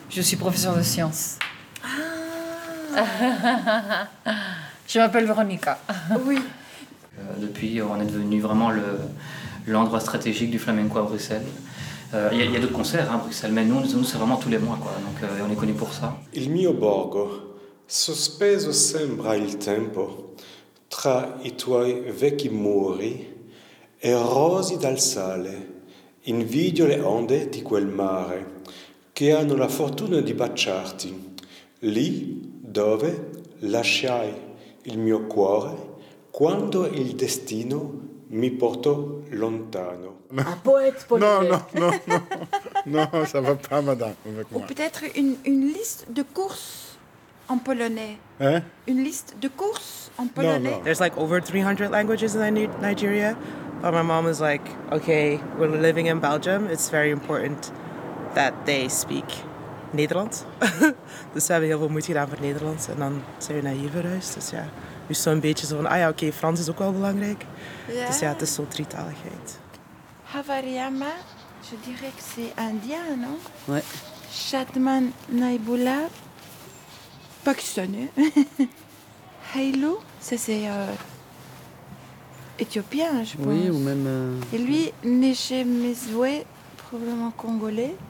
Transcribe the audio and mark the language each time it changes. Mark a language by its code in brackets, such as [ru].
[fr] Je suis professeure de sciences. Ah. Je m'appelle Veronica. Oui. Depuis, on est devenu vraiment l'endroit stratégique du flamenco à Bruxelles. Il y a d'autres concerts à Bruxelles, mais nous, c'est vraiment tous les mois, quoi. Donc, on est connu pour ça. [it] Il mio borgo, sospeso sembra il tempo tra i tuoi vecchi muri e rosi dal sale, invidio le onde di quel mare che hanno la fortuna di baciarti, lì dove lasciai il mio cuore quando il destino mi portò lontano. [fr] Un poète polonais. Non, ça va pas, madame. Avec moi. Ou peut-être une liste de courses en polonais. Hein? Une liste de courses en polonais. Non. [en] There's like over 300 languages in Nigeria. But my mom was like, okay, we're living in Belgium. It's very important that they speak Nederlands. [nl] Dus we hebben heel veel moeite gedaan voor Nederlands. En dan zijn we naar hier verhuisd. Dus ja, nu is zo'n beetje zo van, ah ja, oké, Frans is ook wel belangrijk. [en] Yeah. [nl] Dus ja, het is zo'n drietaligheid. [fr] Havariama, je dirais que c'est indien, non? Ouais. Chatman Naiboula, pakistanais. Heilo, ça c'est éthiopien, je pense. Oui, ou même... Et lui, Nechemezwe, probablement congolais.